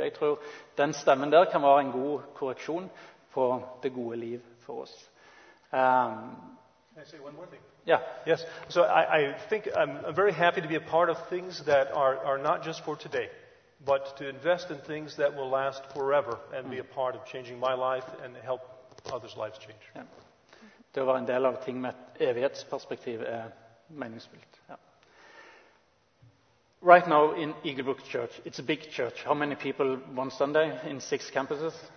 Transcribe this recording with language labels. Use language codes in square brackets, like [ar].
[no] Jeg tror den stemmen der kan være en god korreksjon på det gode liv for oss. [en] Can I say one more thing? Yeah. Yes. So I think I'm very happy to be a part of things that are not just for today, but to invest in things that will last forever and be a part of changing my life and help others' lives change. Yeah. [no] Det var en del av ting med evighetsperspektiv meningsfullt. Ja. [en] Right now in Eagle Brook Church, it's a big church. How many people one Sunday in 6 campuses?